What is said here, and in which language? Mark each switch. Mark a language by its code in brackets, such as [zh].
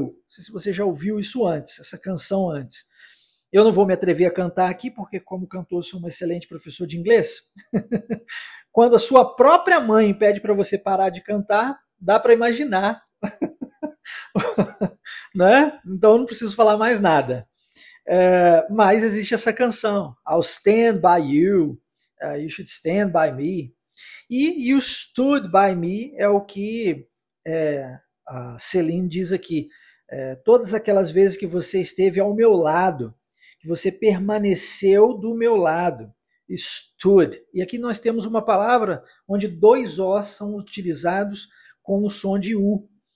[pt] Não sei se você já ouviu isso antes, essa canção antes. Eu não vou me atrever a cantar aqui porque como cantor sou um excelente professor de inglês. Quando a sua própria mãe pede para você parar de cantar, dá para imaginar. Né? Então não preciso falar mais nada. Mas existe essa canção, [en] I'll stand by you, you should stand by me. [pt] E [en] you stood by me [pt] é o que a Celine diz aqui. Todas aquelas vezes que você esteve ao meu lado, que você permaneceu do meu lado, stood. E aqui nós temos uma palavra onde dois Os são utilizados com o som de U.